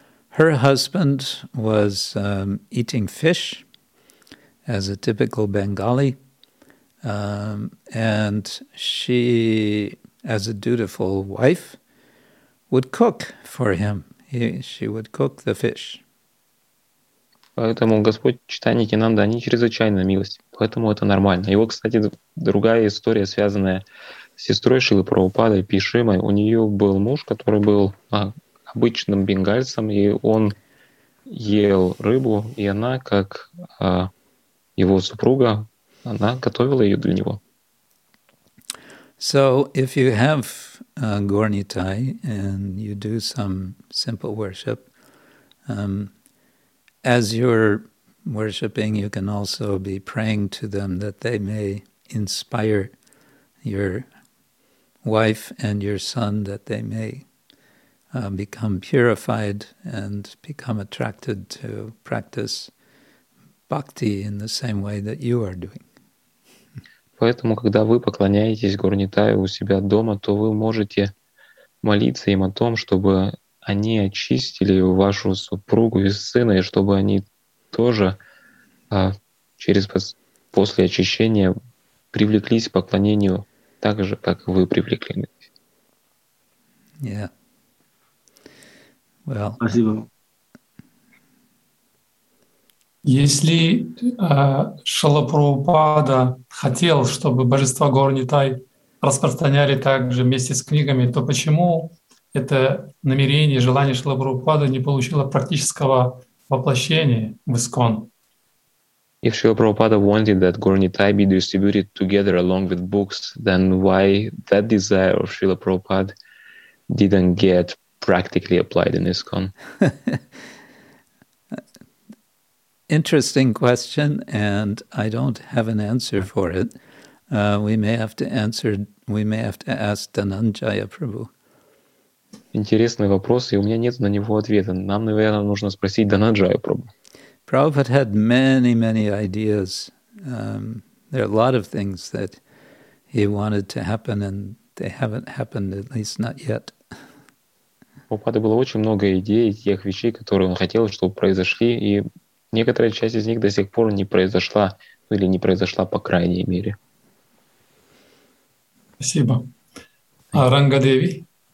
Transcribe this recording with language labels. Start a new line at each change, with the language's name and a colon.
English: Her husband was eating fish as a typical Bengali. And she, as a dutiful wife, would cook for him. She would cook the fish.
Russian: Поэтому Господь Чайтанья и Нитьянанда, они чрезвычайно милости, поэтому это нормально. Его, кстати, другая история, связанная с сестрой Шилы Прабхупады, Пишимой. У нее был муж, который был обычным бенгальцем, и он ел рыбу, и она, как его супруга, она готовила ее для него.
English: So, if you have Gornitai and you do some simple worship, as you're worshiping, you can also be praying to them that they may inspire your wife and your son, that they may become purified and become attracted to practice bhakti in the same way that you are doing.
Russian: Поэтому, когда вы поклоняетесь Гурнитаю у себя дома, то вы можете молиться им о том, чтобы они очистили вашу супругу и сына, и чтобы они тоже после очищения привлеклись к поклонению так же, как вы привлекли.
English: Yeah. Well,
Russian: спасибо. Если Шрила Прабхупада хотел, чтобы божества Гаур-Нитай распространяли также вместе с книгами, то почему это намерение, желание Шрила Прабхупады не получило практического воплощения в ИСККОН?
English: If Srila Prabhupada wanted that Gaur-Nitai be distributed together along with books, then why that desire of Srila Prabhupada didn't get practically applied in ISKCON? Interesting question, and I don't have an answer for it. We may have to ask Dhananjaya Prabhu.
Russian: Интересный вопрос, и у меня нет на него ответа. Нам, наверное, нужно спросить Dhananjaya Prabhu.
English: Prabhupada had many, many ideas. There are a lot of things that he wanted to happen, and they haven't happened, at least not yet.
Russian: У Прабхупады было очень много идей, тех вещей, которые он хотел, чтобы произошли, и некоторая часть из них до сих пор не произошла, или не произошла по крайней мере. Спасибо. Ранга Деви.